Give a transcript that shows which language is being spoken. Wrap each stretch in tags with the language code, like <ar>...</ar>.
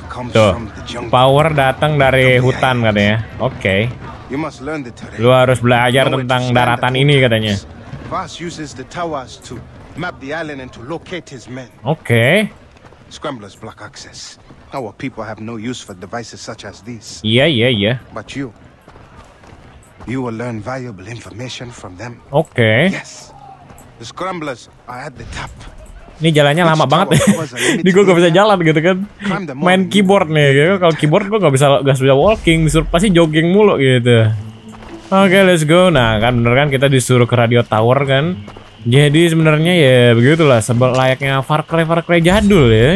<id>Tuh, power datang dari hutan katanya. Okay. Lu harus belajar tentang daratan ini katanya.</id> <en>Vas uses the towers to map the island and to locate his men. Okay. Scramblers block access. Our people have no use for devices such as these. Yeah. But you will learn valuable information from them. Okay. Yes. The scramblers are at the top.</en> <id>Ini jalannya lama banget. Di gua gak bisa jalan gitu kan. Main keyboard nih. Gitu. Kalau keyboard gua gak bisa walking. Pasti jogging mulu gitu.</id> <en>Okay, let's go.</en> <id>Nah, kan bener kan kita disuruh ke radio tower kan. Jadi sebenarnya ya begitulah. Layaknya Far Cry jadul ya.</id>